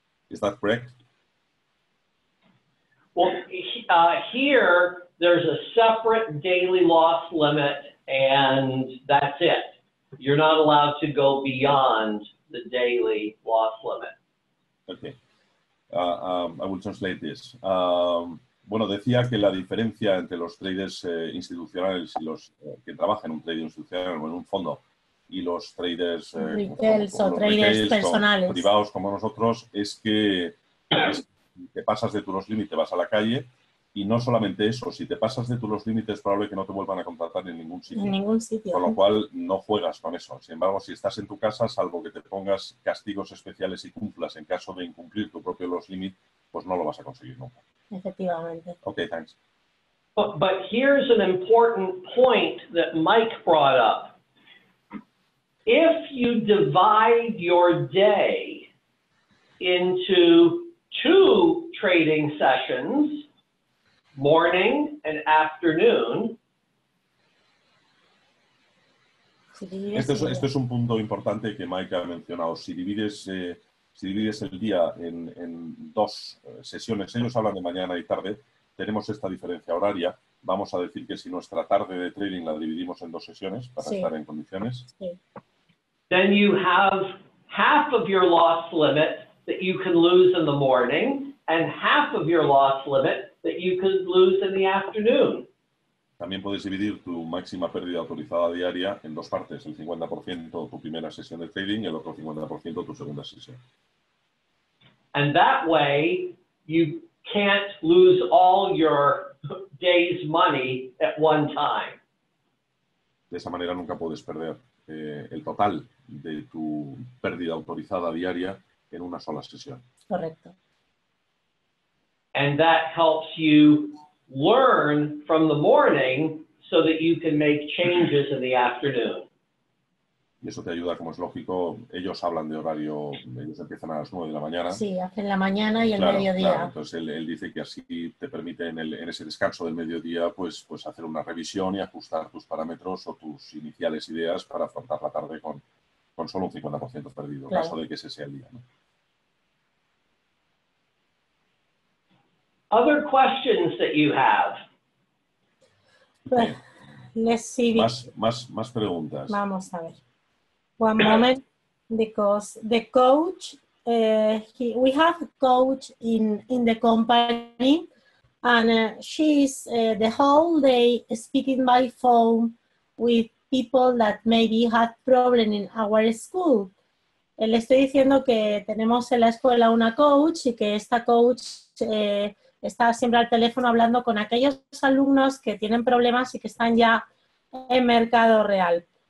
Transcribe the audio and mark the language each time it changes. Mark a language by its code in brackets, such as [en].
[en] Is that correct? Well, here there's a separate daily loss limit and that's it. You're not allowed to go beyond the daily loss limit. Okay, I will translate this. [es] Bueno, decía que la diferencia entre los traders institucionales y los que trabajan en un trading institucional o en un fondo y los traders, traders personales. Privados como nosotros es que te pasas de tu los límites, vas a la calle y no solamente eso, si te pasas de tu los límites es probable que no te vuelvan a contratar en ningún sitio. En ningún sitio. Con lo cual no juegas con eso. Sin embargo, si estás en tu casa, salvo que te pongas castigos especiales y cumplas en caso de incumplir tu propio los límites, pues no lo vas a conseguir nunca. Efectivamente. [en] Okay, thanks. But here's an important point that Mike brought up. If you divide your day into two trading sessions, morning and afternoon. [es] Esto es un punto importante que Mike ha mencionado. Si divides el día en dos sesiones, ellos hablan de mañana y tarde, tenemos esta diferencia horaria. Vamos a decir que si nuestra tarde de trading la dividimos en dos sesiones para estar en condiciones. [en] Then you have half of your loss limit that you can lose in the morning and half of your loss limit that you can lose in the afternoon. [es] También puedes dividir tu máxima pérdida autorizada diaria en dos partes, el 50% tu primera sesión de trading y el otro 50% tu segunda sesión. [en] And that way, you can't lose all your day's money at one time. [es] De esa manera nunca puedes perder el total de tu pérdida autorizada diaria en una sola sesión. Correcto. [en] And that helps you learn from the morning so that you can make changes in the afternoon. [es] Y eso te ayuda, como es lógico. Ellos hablan de horario, ellos empiezan a las 9 de la mañana. Sí, hacen la mañana y el mediodía. Claro. Entonces él dice que así te permite en ese descanso del mediodía pues hacer una revisión y ajustar tus parámetros o tus iniciales ideas para afrontar la tarde con solo un 50% perdido, claro. En caso de que ese sea el día, ¿no? [en] Other questions that you have. Let's see. [es] Más preguntas. Vamos a ver. [en] One moment, because the coach, we have a coach in the company, and she's the whole day speaking by phone with people that maybe had problems in our school. [es] Le estoy diciendo que tenemos en la escuela una coach y que esta coach está siempre al teléfono hablando con aquellos alumnos que tienen problemas y que están ya en mercado real.